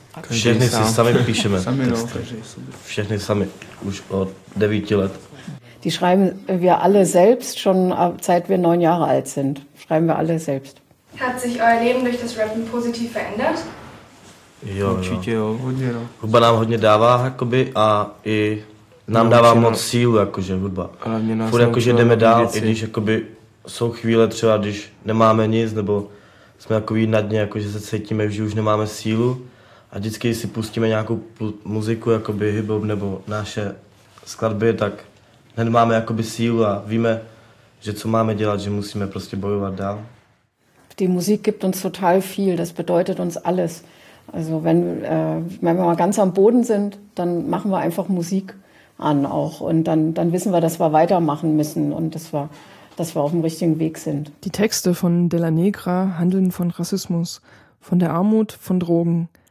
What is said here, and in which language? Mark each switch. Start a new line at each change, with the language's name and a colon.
Czech: Všechny si sami píšeme. Všechny sami, už od 9 let.
German: Die schreiben wir alle selbst, schon seit wir 9 Jahre alt sind. Schreiben wir alle selbst. Hat sich euer Leben durch das Rappen positiv verändert?
Czech: Jo, jo. Určitě jo, hodně jo. Hudba nám hodně dává, jakoby, a i nám no, dává moc sílu, jakože hudba. Furt jakože jdeme dál, i když jakoby jsou chvíle třeba, když nemáme nic, nebo jsme takový na dně, jakože se cítíme, že už nemáme sílu. A vždycky, když si pustíme nějakou muziku, jakoby hip-hop nebo naše skladby, tak hned máme jakoby sílu a víme, že co máme dělat, že musíme prostě bojovat dál.
German: Die Musik gibt uns total viel, das bedeutet uns alles. Also wenn wir mal ganz am Boden sind, dann machen wir einfach Musik an auch. Und dann wissen wir, dass wir weitermachen müssen und dass wir auf dem richtigen Weg sind. Die Texte von De La Negra handeln von Rassismus, von der Armut, von Drogen.